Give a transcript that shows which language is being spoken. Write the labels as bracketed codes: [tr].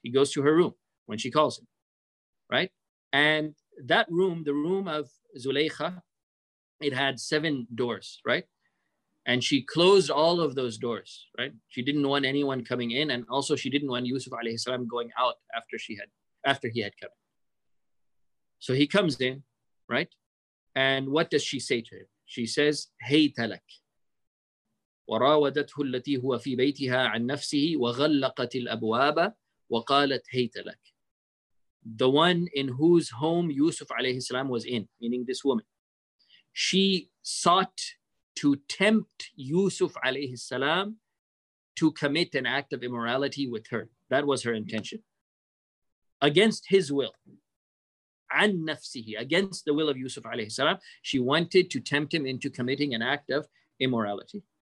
[en] He goes to her room when she calls him, right? And that room, the room of Zuleikha, it had 7 doors, right? And she closed all of those doors, right? She didn't want anyone coming in, and also she didn't want Yusuf alayhi salam going out after he had come. So he comes in, right? And what does she say to him? She says, "Hey talak." [ar] وراودته التي هو في بيتها عن نفسه وغلقت الأبواب وقالت هي تلك. [en] The one in whose home Yusuf alayhi salam was in, meaning this woman, she sought to tempt Yusuf alayhi salam to commit an act of immorality with her. That was her intention. Against his will, [ar] عن نفسه, [en] against the will of Yusuf alayhi salam, she wanted to tempt him into committing an act of immorality.